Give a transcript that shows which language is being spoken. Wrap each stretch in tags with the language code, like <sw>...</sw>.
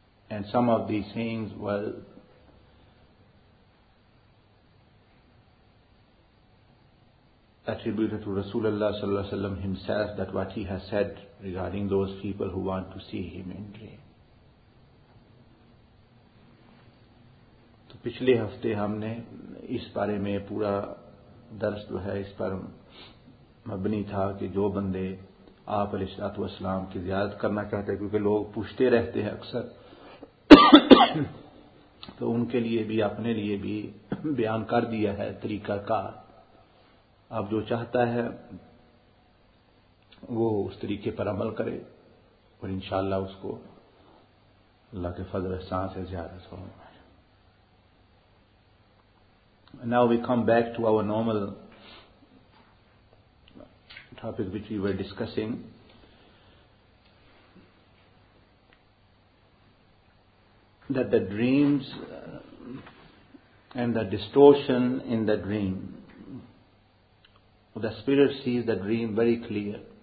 <en>And some of these things were attributed to Rasulullah sallallahu alaihi wasallam himself, that what he has said regarding those people who want to see him in dream.</en> <ur>So, pichle hafte humne is bare mein pura درست جو ہے اس پر مبنی تھا کہ جو بندے آپ علیہ الصلوۃ والسلام کی زیارت کرنا چاہتے ہیں, کیونکہ لوگ پوچھتے رہتے ہیں اکثر, تو ان کے لیے بھی اپنے لیے بھی بیان کر دیا ہے طریقہ کار. اب جو چاہتا ہے وہ اس طریقے پر عمل کرے اور انشاءاللہ اس کو اللہ کے فضل احسان سے زیارت ہو.</ur> <en>Now we come back to our normal topic which we were discussing. That the dreams and the distortion in the dream, the spirit sees the dream very clear.</en>